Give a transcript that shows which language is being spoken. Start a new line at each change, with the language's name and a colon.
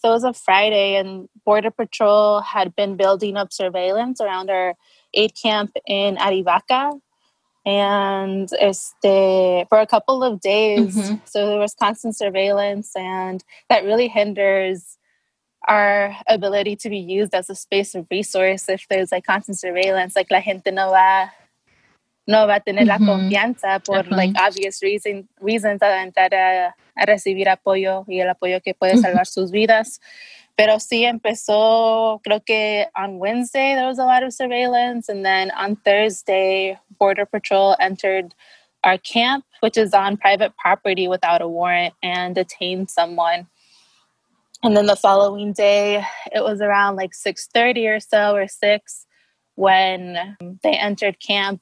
English: That was a Friday, and Border Patrol had been building up surveillance around our aid camp in Arivaca. And for a couple of days, mm-hmm. so there was constant surveillance, and that really hinders our ability to be used as a space of resource if there's constant surveillance.
Spanish: La gente no va a tener mm-hmm. la confianza por mm-hmm.
English: Obvious reasons
Spanish: a entrar a recibir apoyo y el apoyo que puede salvar sus vidas. Pero sí empezó, creo que
English: on Wednesday there was a lot of surveillance, and then on Thursday Border Patrol entered our camp, which is on private property without a warrant, and detained someone. And then the following day, it was around like 6:30 or so, or 6, when they entered camp.